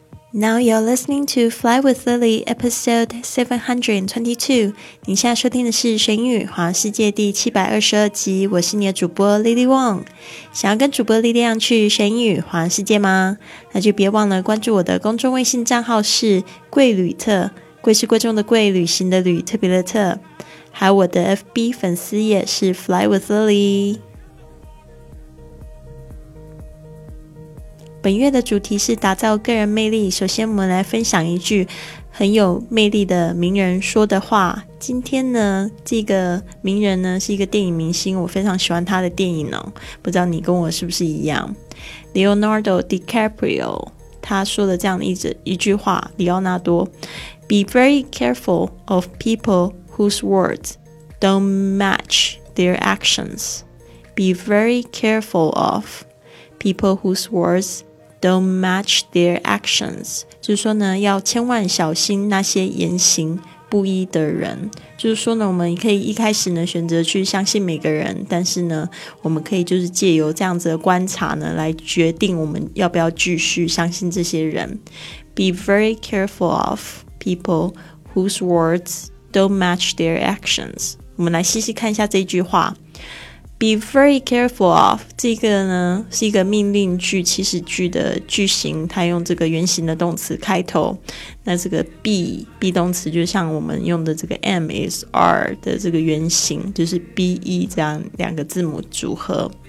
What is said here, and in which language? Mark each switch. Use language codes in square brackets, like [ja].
[en] Now you're listening to Fly with Lily, episode 722. [zh] 您现在收听的是《玄语环游世界》第722集。我是你的主播 Lily Wong。想要跟主播力量去玄语环游世界吗？那就别忘了关注我的公众微信账号是“贵旅特”，贵是贵重的贵，旅行的旅，特别的特。还有我的 FB 粉丝也是 Fly with Lily。本月的主题是打造个人魅力，首先我们来分享一句很有魅力的名人说的话。今天呢，这个名人呢是一个电影明星，我非常喜欢他的电影哦，不知道你跟我是不是一样。 [en] Leonardo DiCaprio [zh] 他说了这样的 一句话，里奥纳多， [en] Be very careful of people whose words don't match their actions. Be very careful of people whose words don't match their actions. [zh] 就是说呢，要千万小心那些言行不一的人。就是说呢，我们可以一开始呢选择去相信每个人，但是呢我们可以就是借由这样子的观察呢来决定我们要不要继续相信这些人。 [en] Be very careful of people whose words don't match their actions. [zh] 我们来细细看一下这句话。 [en] Be very careful of [zh] 这个呢是一个命令句祈使句的句型，它用这个原型的动词开头，那这个 be 动词就像我们用的这个 am is are 的这个原型，就是 be 这样两个字母组合。